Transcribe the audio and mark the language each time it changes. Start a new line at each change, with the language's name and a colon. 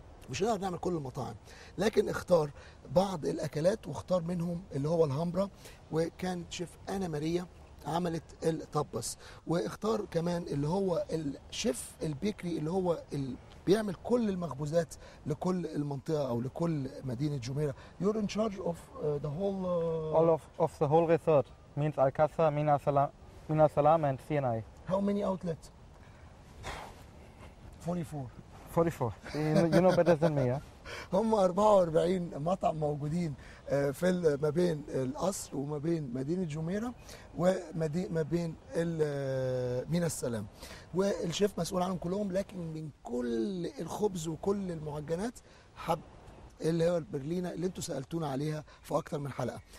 Arabic: مش هنقدر نعمل كل المطاعم لكن اختار بعض الاكلات واختار منهم اللي هو الهامبرا وكان شيف انا ماريا عملت التابس واختار كمان اللي هو الشيف البيكري اللي هو بيعمل كل المخبوزات لكل المنطقة أو لكل مدينة جميرة.
English: You're in charge of the whole... All of the whole resort. Means Alcazar, Mina Salam and CNI. How many outlets? 44. 44. You know better than me, yeah?
Arabic: هم 44 مطعم موجودين في ما بين القصر وما بين مدينة جميرة وما بين مينا السلام. والشيف مسؤول عنهم كلهم، لكن من كل الخبز وكل المعجنات حب اللي هو البرلينة اللي انتوا سألتونا عليها في أكتر من حلقة.